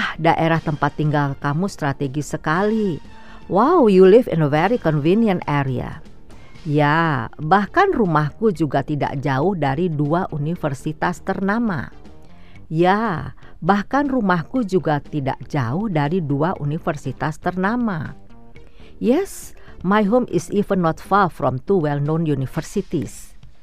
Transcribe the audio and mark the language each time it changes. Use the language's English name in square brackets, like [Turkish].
[Indonesian] Wah, daerah tempat tinggal kamu strategis sekali. [English] Wow, you live in a very convenient area. [Indonesian] Ya, bahkan rumahku juga tidak jauh dari dua universitas ternama. Ya, bahkan rumahku juga tidak jauh dari dua universitas ternama. [English] Yes, my home is even not far from two well-known universities.